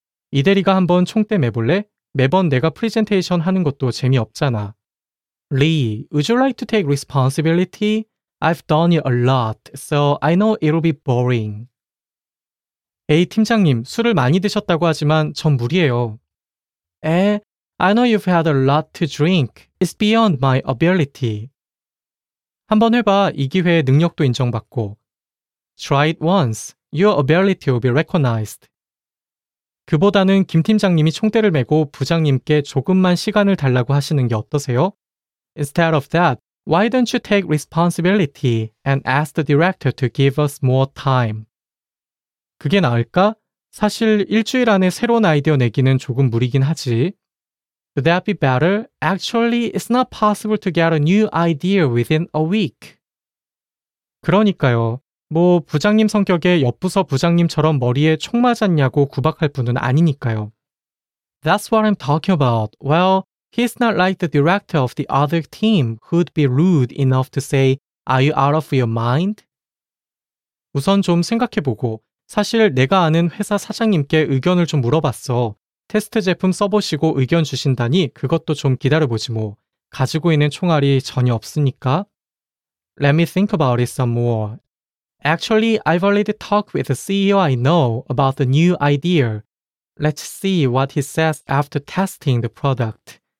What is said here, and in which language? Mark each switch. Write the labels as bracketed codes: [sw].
[ko] 이 대리가 한번 총대 매볼래? 매번 내가 프레젠테이션 하는 것도 재미없잖아. [en] Lee, would you like to take responsibility? I've done it a lot, so I know it'll be boring. [ko] 에이, 팀장님, 술을 많이 드셨다고 하지만 전 무리예요. [en] 에, I know you've had a lot to drink. It's beyond my ability. [ko] 한번 해봐, 이 기회에 능력도 인정받고. [en] Try it once. Your ability will be recognized. [ko] 그보다는 김 팀장님이 총대를 메고 부장님께 조금만 시간을 달라고 하시는 게 어떠세요? [en] Instead of that, why don't you take responsibility and ask the director to give us more time? [ko] 그게 나을까? 사실 일주일 안에 새로운 아이디어 내기는 조금 무리긴 하지. [en] Would that be better? Actually, it's not possible to get a new idea within a week. [ko] 그러니까요. 뭐 부장님 성격에 옆부서 부장님처럼 머리에 총 맞았냐고 구박할 분은 아니니까요. [en] That's what I'm talking about. Well, he's not like the director of the other team who'd be rude enough to say, Are you out of your mind? [ko] 우선 좀 생각해보고. 사실 내가 아는 회사 사장님께 의견을 좀 물어봤어. 테스트 제품 써보시고 의견 주신다니 그것도 좀 기다려보지 뭐. 가지고 있는 총알이 전혀 없으니까. [en] Let me think about it some more. Actually, I've already talked with the CEO I know about the new idea. Let's see what he says after testing the product.